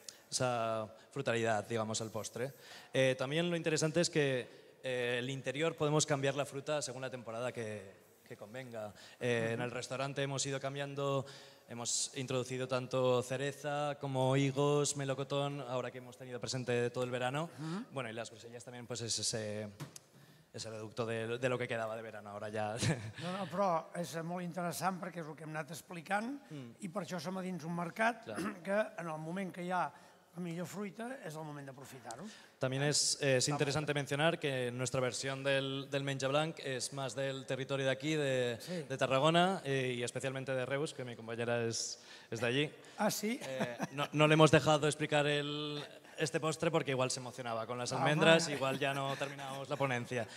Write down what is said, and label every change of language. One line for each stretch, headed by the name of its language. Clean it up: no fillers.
Spanish: Esa frutalidad, digamos, al postre. También lo interesante es que el interior podemos cambiar la fruta según la temporada que convenga. En el restaurante hemos ido cambiando, hemos introducido tanto cereza como higos, melocotón, ahora que hemos tenido presente todo el verano. Bueno, y las grosellas también, pues es ese reducto de lo que quedaba de verano, ahora ya.
Catalan: No, però és molt interessant perquè és el que hem anat explicant i per això som a dins un mercat que en el moment que hi ha la millor fruita és el moment d'aprofitar-ho.
Spanish: También es interesante mencionar que nuestra versión del menja blanc es más del territorio de aquí, de Tarragona, y especialmente de Reus, que mi compañera es de allí. Ah, sí. No le hemos dejado explicar este postre porque igual se emocionaba con las almendras, igual ya no terminamos la ponencia.